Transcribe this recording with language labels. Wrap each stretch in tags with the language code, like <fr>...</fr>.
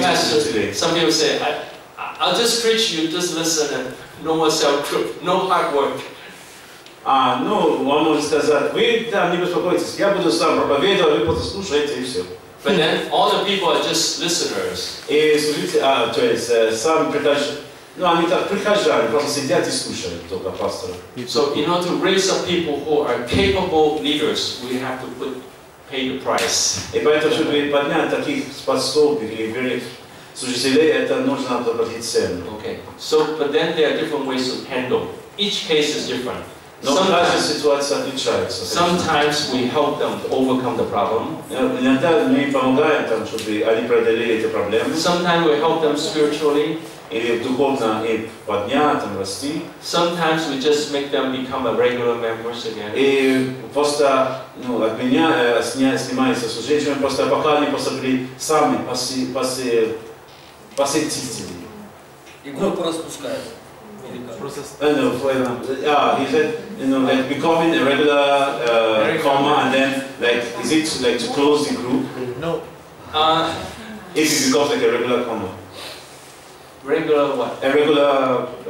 <en>people say, I'll just preach, you just listen, and no more cell group, no hard work.</en> <ru>Ну, он может сказать, вы там не беспокойтесь, я буду сам проповедовать, вы просто слушайте, и все.</ru> <en>But then all the people are just listeners.</en> <ru>И слушайте, то есть, сам предложил. Ну, они так прихожали, просто сидят и слушают только пастора.</ru> <en>So, in order to raise up people who are capable leaders, we have to pay the price. И поэтому, чтобы поднять таких способных или верных служителей, это нужно заплатить цену. Okay. So, but then there are different ways to handle. Each case is different.</en> <ru>Но каждая ситуация отличается.</ru> <en>Sometimes we help them overcome the problem.</en> <ru>Иногда мы помогаем там, чтобы они преодолели эти проблемы.</ru> <en>Sometimes we help them spiritually.</en> <ru>Или духовно им поднять, им расти.</ru> <en>Sometimes we just make them become a regular members again.</en> <ru>И просто, ну, от меня снимается служение, просто пока они просто были сами посетители. И группу распускают.</ru> <en>Like becoming a regular comma, and then like, is it like to close the group? No. It becomes like a regular comma. Regular what? A regular</en>